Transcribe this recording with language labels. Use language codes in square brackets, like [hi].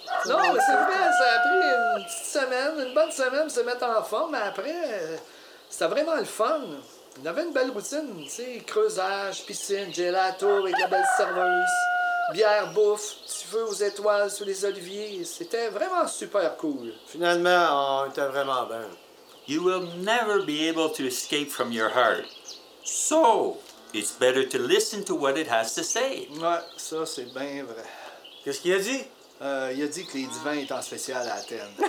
[fr] Non, mais c'est vrai, ça a pris une petite semaine, une bonne semaine pour se mettre en forme, mais après, c'était vraiment le fun. On avait une belle routine, tu sais, creusage, piscine, gelato avec la belle serveuse. bière, bouffe, petit feu aux étoiles sous les oliviers. C'était vraiment super cool. Finalement, on était vraiment bien. [en] You will never be able to escape from your heart. So, it's better to listen to what it has to say. [fr] Ouais, ça, c'est bien vrai. Qu'est-ce qu'il a dit? Il a dit que les divins étaient en spécial à Athènes.